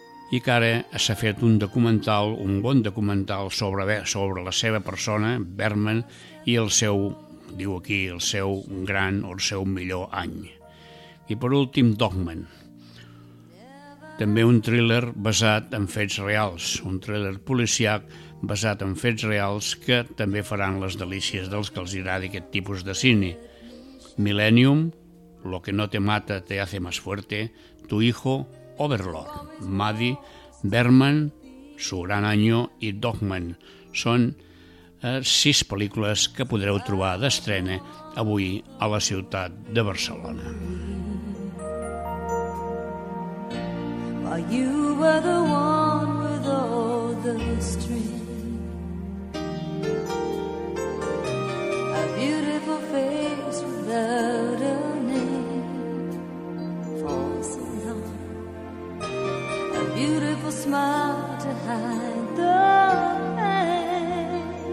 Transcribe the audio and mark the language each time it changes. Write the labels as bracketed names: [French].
[Catalan] i que ara s'ha fet un documental, un bon documental sobre la seva persona, Bergman, i el seu, diu aquí, el seu gran o el seu millor any. I per últim, Dogman. També un thriller basat en fets reals, un thriller policiac basat en fets reals que també faran les delícies dels que els agradi aquest tipus de cine. Millennium, Lo que no te mata te hace más fuerte, Tu hijo, Overlord, Maddy, Bergman, Su gran año i Dogman. Són 6 pel·lícules que podreu trobar d'estrena avui a la ciutat de Barcelona. [English] Why you were the one with all the strength, a beautiful face without a name, for so long, a beautiful smile to hide the pain.